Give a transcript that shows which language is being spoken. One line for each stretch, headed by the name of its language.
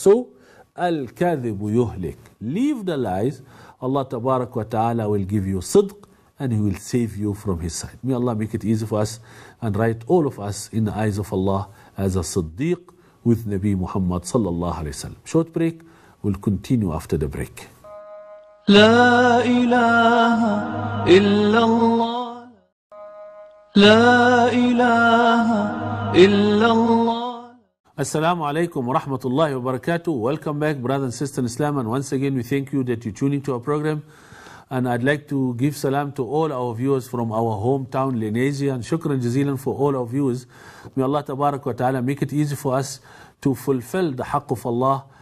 English: So,
Arabic: Al-Kathibu Yuhlik.
English: Leave the lies. Allah Tabarak wa Ta'ala will give you Sidq and He will save you from His side. May Allah make it easy for us and write all of us in the eyes of Allah as a Siddiq with Nabi Muhammad Sallallahu Alaihi Wasallam. Short break. We'll continue after the break.
Arabic: لا إله إلا الله لا إله إلا الله. Assalamu alaikum wa rahmatullahi wa barakatuh.
English: Welcome back, brother and sister in Islam, and once again we thank you that you tune into our program. And I'd like to give salam to all our viewers from our hometown, Linasia, and
Arabic: shukran jazilan
English: for all our viewers. May Allah tabarak wa ta'ala make it easy for us to fulfill the haqq of Allah.